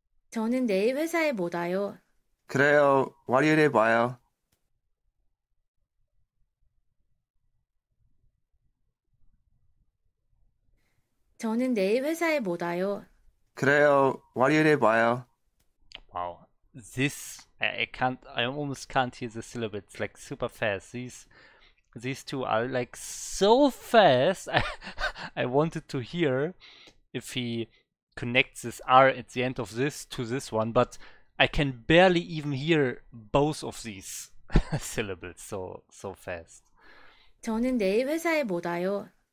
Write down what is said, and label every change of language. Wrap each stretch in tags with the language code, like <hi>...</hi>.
<ko>저는 내일 회사에 못 와요. 그래요. 월요일에 봐요. 저는 내일 회사에 못 와요. 그래요. 월요일에 봐요.</ko> <en>Wow. This, I almost can't hear the syllables, like super fast. These two are like so fast. I wanted to hear if he connects this R at the end of this to this one, but I can barely even hear both of these syllables so fast.</en> <ko>저는 내일 회사에 못 와요.</ko>